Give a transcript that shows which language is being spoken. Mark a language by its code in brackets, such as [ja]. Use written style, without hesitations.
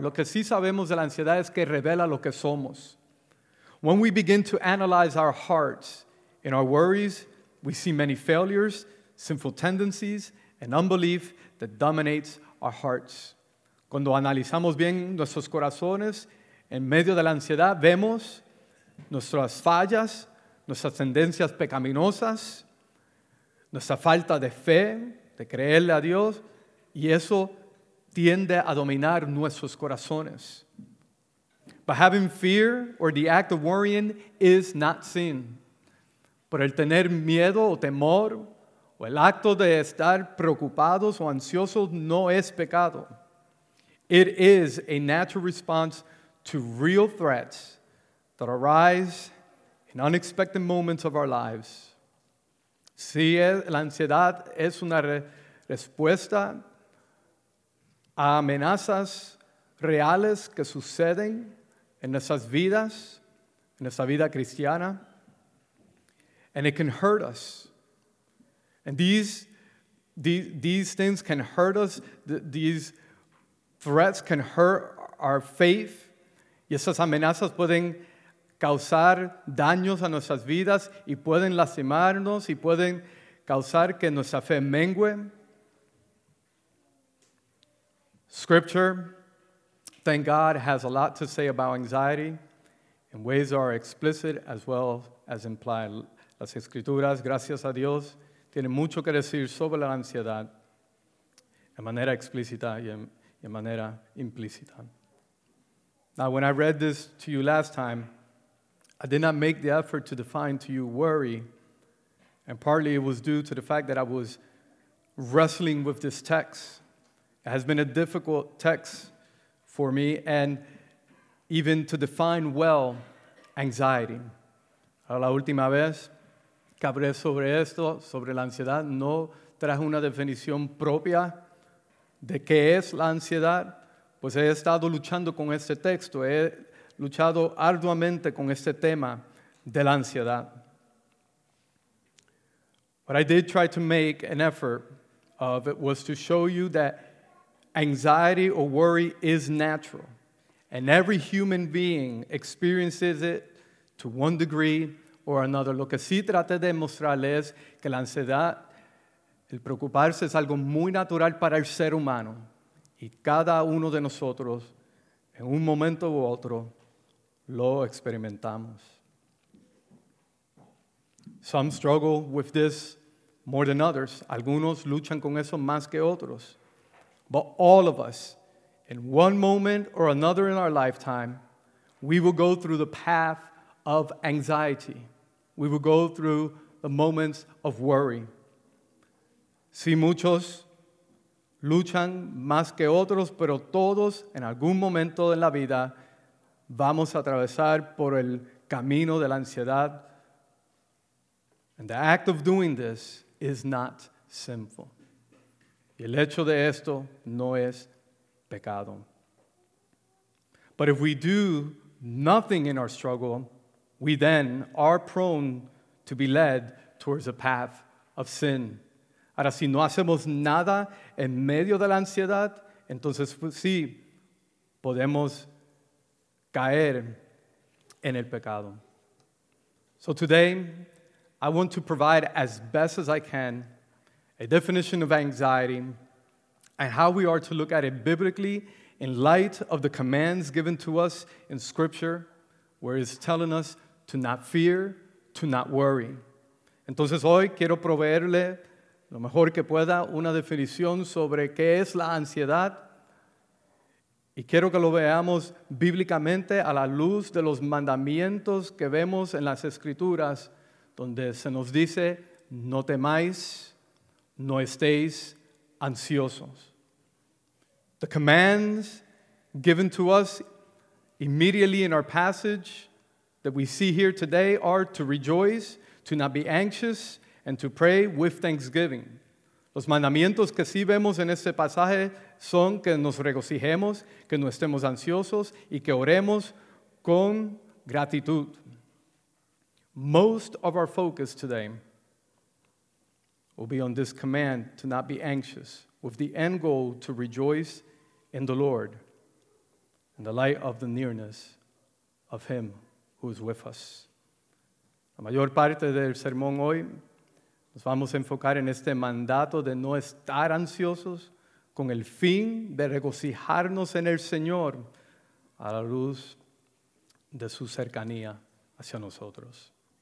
[es] Lo que sí sabemos de la ansiedad es que revela lo que somos. [en] When we begin to analyze our hearts in our worries, we see many failures, sinful tendencies, and unbelief that dominates our hearts. [es] Cuando analizamos bien nuestros corazones en medio de la ansiedad, vemos nuestras fallas, nuestras tendencias pecaminosas, nuestra falta de fe, de creerle a Dios, y eso tiende a dominar nuestros corazones. [en] But having fear or the act of worrying is not sin. [es] Por el tener miedo o temor, o el acto de estar preocupados o ansiosos, no es pecado. [en] It is a natural response to real threats that arise in unexpected moments of our lives. [es] Sí, la ansiedad es una respuesta a amenazas reales que suceden en nuestras vidas, en nuestra vida cristiana. [en] And it can hurt us. And these things can hurt us. These threats can hurt our faith. [es] Y esas amenazas pueden causar daños a nuestras vidas y pueden lastimarnos y pueden causar que nuestra fe mengue. [en] Scripture, thank God, has a lot to say about anxiety in ways that are explicit as well as implied. [es] Las Escrituras, gracias a Dios, tienen mucho que decir sobre la ansiedad en manera explícita y en manera implícita. [en] Now, when I read this to you last time, I did not make the effort to define to you worry, and partly it was due to the fact that I was wrestling with this text. It has been a difficult text for me, and even to define well anxiety. [es] A la última vez que hablé sobre esto, sobre la ansiedad, no traje una definición propia de qué es la ansiedad, pues he estado luchando con este texto, he luchado arduamente con este tema de la ansiedad. [en] What I did try to make an effort of it was to show you that anxiety or worry is natural, and every human being experiences it to one degree or another. [es] Lo que sí traté de mostrarles que la ansiedad, el preocuparse, es algo muy natural para el ser humano. Y cada uno de nosotros, en un momento u otro, lo experimentamos. [en] Some struggle with this more than others. [es] Algunos luchan con eso más que otros. [en] But all of us, in one moment or another in our lifetime, we will go through the path of anxiety. We will go through the moments of worry. [es] Si muchos luchan más que otros, pero todos en algún momento de la vida vamos a atravesar por el camino de la ansiedad. [en] And the act of doing this is not sinful. [es] Y el hecho de esto no es pecado. [en] But if we do nothing in our struggle, we then are prone to be led towards a path of sin. [es] Ahora, si no hacemos nada en medio de la ansiedad, entonces sí, podemos caer en el pecado. [en] So today, I want to provide as best as I can a definition of anxiety and how we are to look at it biblically in light of the commands given to us in Scripture, where it's telling us to not fear, to not worry. [es] Entonces hoy quiero proveerle lo mejor que pueda, una definición sobre qué es la ansiedad. Y quiero que lo veamos bíblicamente a la luz de los mandamientos que vemos en las Escrituras, donde se nos dice, no temáis, no estéis ansiosos. [en] The commands given to us immediately in our passage that we see here today are to rejoice, to not be anxious, and to pray with thanksgiving. [es] Los mandamientos que sí vemos en este pasaje son que nos regocijemos, que no estemos ansiosos, y que oremos con gratitud. [en] Most of our focus today will be on this command to not be anxious, with the end goal to rejoice in the Lord, in the light of the nearness of Him who is with us. [es] La mayor parte del sermón hoy nos vamos a enfocar en este mandato de no estar ansiosos con el fin de regocijarnos en el Señor a la luz de su cercanía hacia nosotros.